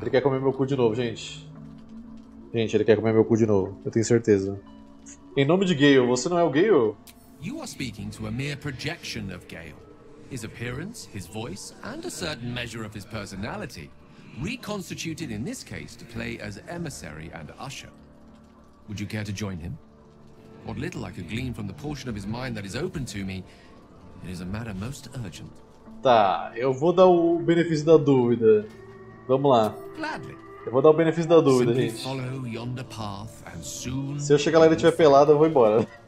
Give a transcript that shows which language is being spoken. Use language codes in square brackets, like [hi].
[pt] Ele quer comer meu cu de novo, gente. Gente, ele quer comer meu cu de novo. Eu tenho certeza. Em nome de Gale, você não é o Gale? [en] You are speaking to a mere projection of Gale. His appearance, his voice, and a certain measure of his personality. Reconstituted in this case to play as emissary and usher. Would you care to join him? What little I could glean from the portion of his mind that is open to me, it is a matter most urgent. [pt] Tá, eu vou dar o benefício da dúvida. Vamos lá. [en] Gladly. [pt] Eu vou dar o benefício da dúvida, gente. [en] Follow yonder path and soon. [pt] Se eu chegar lá e ele estiver pelado, eu vou embora.